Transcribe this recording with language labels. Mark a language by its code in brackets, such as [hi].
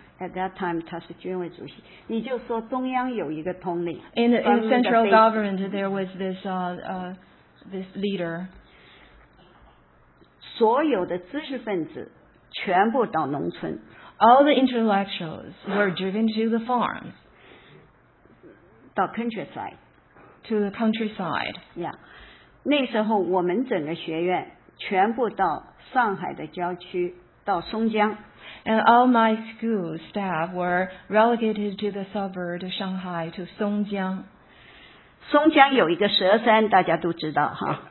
[en] At that time, [zh] 他是军委主席。你就说中央有一个统领。 [en] In central government, there was this this leader. [zh] 所有的知识分子全部到农村。 [en] All the intellectuals were driven to the farms. [zh] 到 countryside. [en] To the countryside. Yeah. [zh] 那时候我们整个学院全部到。上海的郊区到松江 [en] and all my school staff were relegated to the suburb of Shanghai to 松江 [zh] 松江有一个蛇山大家都知道哈